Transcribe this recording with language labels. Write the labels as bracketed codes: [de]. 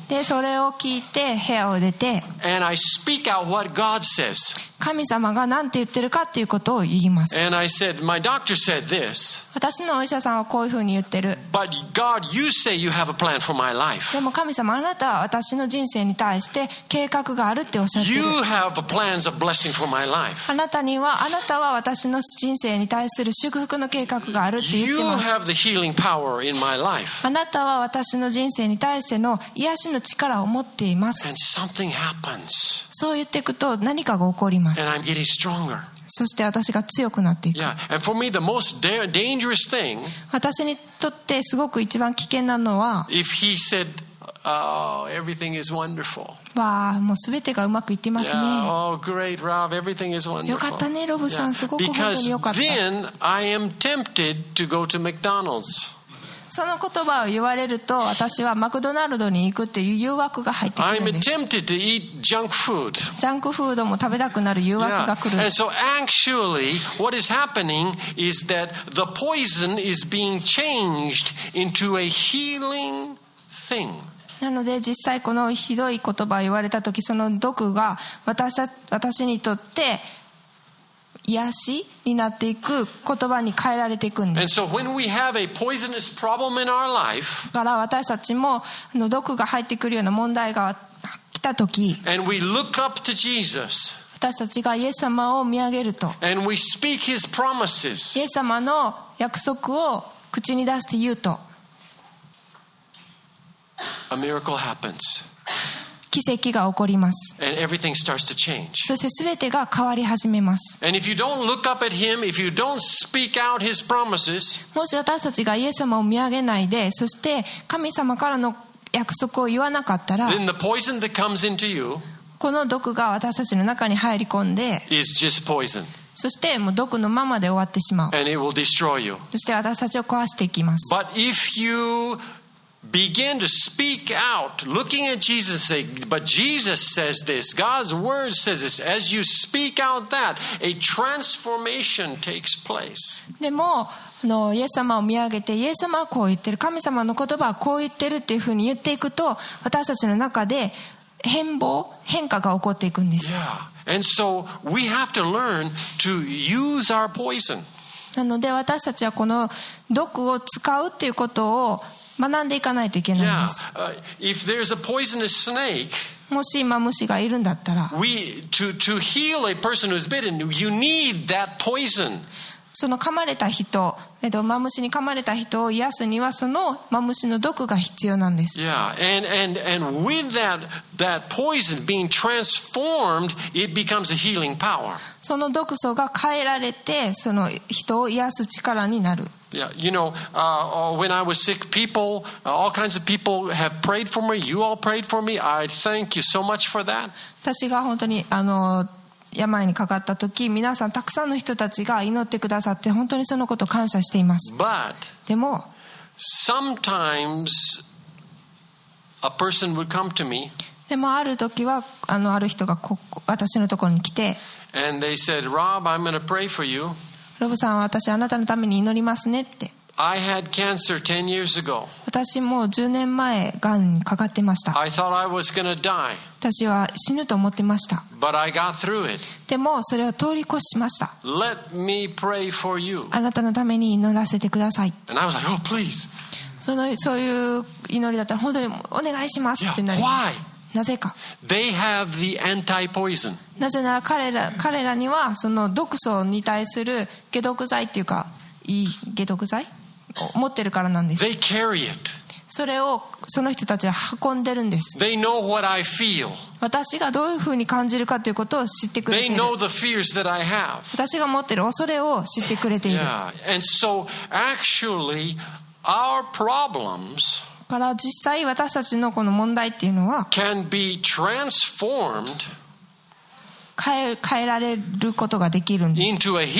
[ja] でそれを聞いて部屋を出て、 [en] And I speak out what God says. [ja] 神様が何て言ってるかっていうことを言います。 [en] And I said, my doctor said this. [ja] 私のお医者さんはこういうふうに言ってる。 [en] But God, you say you have a plan for my life. [ja] でも神様、あなたは私の人生に対して計画があるっておっしゃってる。 [en] You have plans of blessing for my life. [ja] あなたは私の人生に対する祝福の計画があるって言ってます。 [en] You have the healing power in my life. [ja] あなたは私の人生に対しての癒しの力を持っています。 [en] And something happens. [ja] そう言っていくと何かが起こります。 [en] And I'm getting stronger. [ja] そして私が強くなっていく。 [en] Yeah. And for me, the most dangerous thing, [ja] 私にとってすごく一番危険なのは、 [en] If he said, oh, everything is wonderful. [ja] わあ、もうすべてがうまくいってますね。 [en] Yeah. Oh, great, Rob. Everything is wonderful. [ja] よかったね、ロブさん。すごく本当によかった。 [en] Because then I am tempted to go to McDonald's. [ja] その言葉を言われると私はマクドナルドに行くっていう誘惑が入ってくるんです。 [en] I'm tempted to eat junk food. [ja] ジャンクフードも食べたくなる誘惑が来る。 [en] Yeah. And so actually what is happening is that the poison is being changed into a healing thing. [ja] なので実際このひどい言葉を言われた時その毒が 私にとって癒しになっていく言葉に変えられていくんです。 [en] And so when we have a poisonous problem in our life, [ja] だから私たちも毒が入ってくるような問題が来た時、 [en] And we look up to Jesus, [ja] 私たちがイエス様を見上げると、 [en] And we speak his promises, [ja] イエス様の約束を口に出して言うと、 [en] A miracle happens. [ja] 奇跡が起こります。 [en] And everything starts to change. [ja] そして全てが変わり始めます。 [en] And if you don't look up at him, if you don't speak out his promises, [ja] もし私たちがイエス様を見上げないで、そして神様からの約束を言わなかったら、 [en] then the poison that comes into you, [ja] この毒が私たちの中に入り込んで、 [en] is just poison. [ja] そしてもう毒のままで終わってしまう。 [en] And it will destroy you. [ja] そして私たちを壊していきます。 [en] But if youBegin to speak out, looking at Jesus, say, but Jesus says this, God's word says this. As you speak out that, a transformation takes place. [ja] でも、イエス様を見上げて、イエス様はこう言ってる、神様の言葉はこう言ってるっていうふうに言っていくと、私たちの中で変貌、変化が起こっていくんです。 [en] Yeah. And so we have to learn to use our poison. [ja] なので私たちはこの毒を使うっていうことを学んでいかないといけないんです。 [en] Yeah. If there's a poisonous snake, [ja] もし今虫がいるんだったら、 [en] to heal a person who's bitten, you need that poison. [ja] その噛まれた人、マムシに噛まれた人を癒すにはそのマムシの毒が必要なんです。 [en] Yeah. And with that poison being transformed, it becomes a healing power. [ja] その毒素が変えられてその人を癒す力になる。 [en] Yeah, you know, when I was sick, people, all kinds of people have prayed for me. You all prayed for me. I thank you so much for that. [ja] 私が本当に病にかかった時、皆さんたくさんの人たちが祈ってくださって本当にそのことを感謝しています。 [en] But, [ja] でも、 [en] sometimes a person would come to me. [ja] でもある時はある人が私のところに来て、 [en] and they said, Rob, I'm going to pray for you. [ja] ロブさんは私あなたのために祈りますねって。 [en] I had cancer 10 years ago. [ja] 私もう10年前がんにかかってました。 [en] I thought I was gonna die. [ja] 私は死ぬと思ってました。 [en] But I got through it. [ja] でもそれを通り越しました。 [en] Let me pray for you. [ja] あなたのために祈らせてください。 [en] And I was like, oh, please. [ja] そういう祈りだったら本当にお願いしますってなります。 [en] Yeah, why? [ja] なぜか。 [en] They have the anti-poison. [ja] なぜなら彼らにはその毒素に対する解毒剤っていうか、いい解毒剤を持ってるからなんです。 [en] They carry it. [ja] それをその人たちは運んでるんです。 [en] They know what I feel. [ja] 私がどういうふうに感じるかということを知ってくれている。 [en] They know the fears that I have. [ja] 私が持ってる恐れを知ってくれている。 [en] Yeah. And so actually our problems. [ja] から実際私たちのこの問題っていうのは変えられることができるんです。